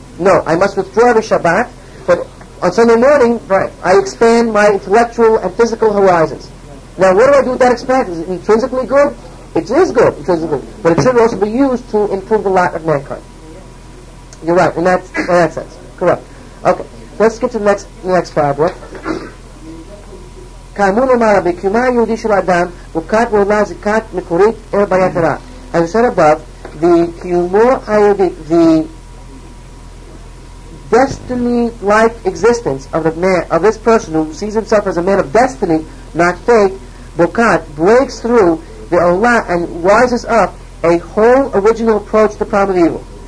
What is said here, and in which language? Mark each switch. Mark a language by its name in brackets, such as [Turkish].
[English] No, I must withdraw the Shabbat, but on Sunday morning, I expand my intellectual and physical horizons. Now, what do I do with that expansion? Is it intrinsically good? It is good, intrinsically, but it should also be used to improve the lot of mankind. You're right, in that sense. Correct. Okay, let's get to the next paragraph. [Hebrew] כאמור נאמר, בקיומה היהודי של האדם, מוכת ועולה זיקת מקורית אל בעיית הרע. [English] As I said above, the [Hebrew] קיומו היהודי, [English] the destiny-like existence of the man, of this person who sees himself as a man of destiny, not fate, Bokat breaks through the Olah and rises up a whole original approach to the problem of evil.